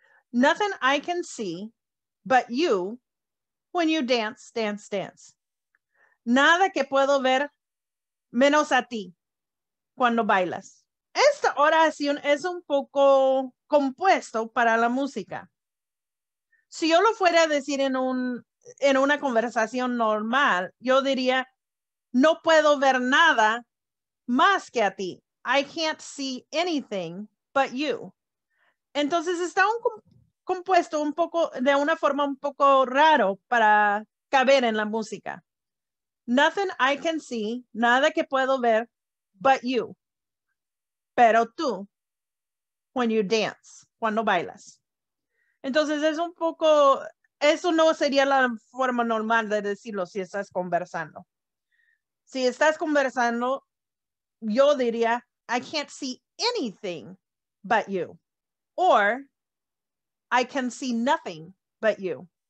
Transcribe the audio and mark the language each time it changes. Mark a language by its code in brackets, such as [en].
[en] Nothing I can see but you when you dance, dance, dance. [es] Nada que puedo ver menos a ti cuando bailas. Esta oración es un poco compuesto para la música. Si yo lo fuera a decir en una conversación normal, yo diría, no puedo ver nada más que a ti. [en] I can't see anything but you. [es] Entonces está compuesto un poco, de una forma un poco raro para caber en la música. [en] Nothing I can see, [es] nada que puedo ver, [en] but you. [es] Pero tú, [en] when you dance, [es] cuando bailas. Entonces es un poco, eso no sería la forma normal de decirlo si estás conversando. Si estás conversando, yo diría, [en] I can't see anything but you. Or, I can see nothing but you.